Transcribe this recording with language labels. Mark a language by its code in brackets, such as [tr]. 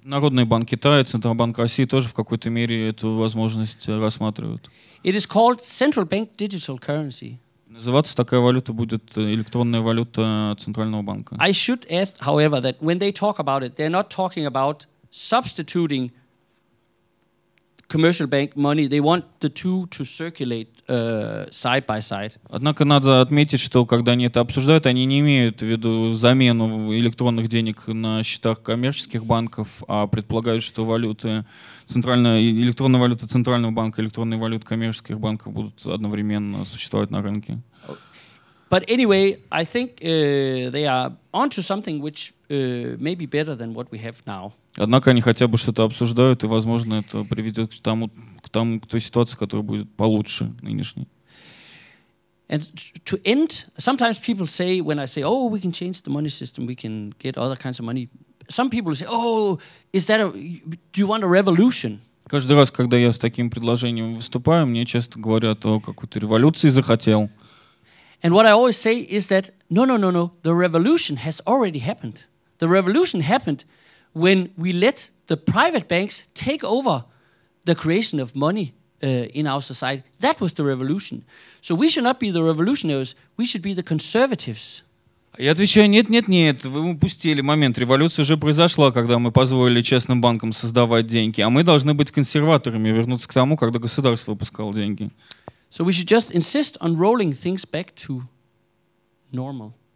[ru] Народный банк Китая, Центробанк России тоже в какой-то мере эту возможность рассматривают. [en] It is called central bank digital currency. [ru] Называться такая валюта будет электронная валюта центрального банка. [en] I should add, however, that when they talk about it, they're not talking about substituting commercial bank money. They want the two to circulate side by side. [ru] Однако надо отметить, что когда они это обсуждают, они не имеют в виду замену электронных денег на счетах коммерческих банков, а предполагают, что валюты центральная электронная валюта центрального банка, электронные валюты коммерческих банков будут одновременно существовать на рынке. [en] But anyway, I think they are onto something which may be better than what we have now. [ru] Однако они хотя бы что-то обсуждают, и, возможно, это приведет к той ситуации, которая будет получше нынешней. [en] And to end, sometimes people say, when I say, oh, we can change the money system, we can get other kinds of money, some people say, oh, is that a, do you want a revolution? [ru] Каждый раз, когда я с таким предложением выступаю, мне часто говорят о какой-то революции захотел. [en] And what I always say is that, no, the revolution has already happened. The revolution happened when we let the private banks take over the creation of money in our society. That was the revolution. So we should not be the revolutionaries, we should be the conservatives. [ru] Я отвечаю, нет, вы упустили момент. Революция уже произошла, когда мы позволили частным банкам создавать деньги. А мы должны быть консерваторами, вернуться к тому, когда государство выпускало деньги. [en] So we should just insist on rolling things back to normal.